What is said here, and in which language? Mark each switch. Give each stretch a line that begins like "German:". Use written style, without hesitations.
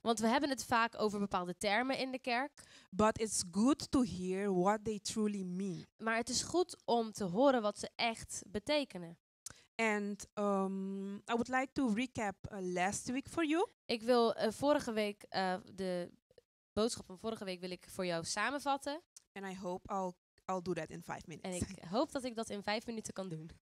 Dutch: Want we hebben het vaak over bepaalde termen in de kerk.
English: But it's good to hear what they truly mean.
Dutch: Maar het is goed om te horen wat ze echt betekenen.
English: And I would like to recap last week for you.
Dutch: Ik wil vorige week de boodschap van vorige week wil ik voor jou samenvatten.
English: And I hope I'll do that in 5 minutes.
Dutch: En ik hoop dat ik dat in 5 minuten kan doen.